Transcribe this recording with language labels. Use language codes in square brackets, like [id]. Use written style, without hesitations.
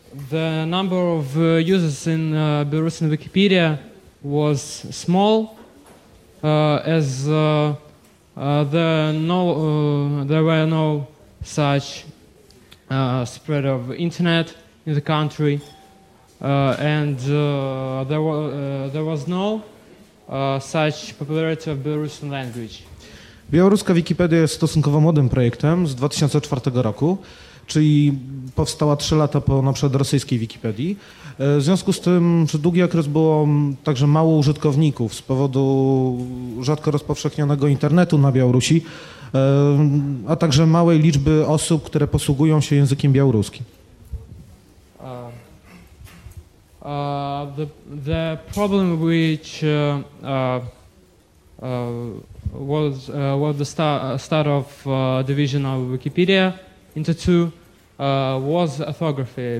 [en] The number of users in Belarusian Wikipedia was small, as there were no such spread of internet in the country, and there was no such popularity of Belarusian language. [pl] Białoruska Wikipedia jest stosunkowo młodym projektem z 2004 roku. Czyli powstała 3 lata po na przykład rosyjskiej Wikipedii. W związku z tym przez długi okres było także mało użytkowników z powodu rzadko rozpowszechnionego internetu na Białorusi, a także małej liczby osób, które posługują się językiem białoruskim. [en] The problem which was the start of division of Wikipedia into two was orthography.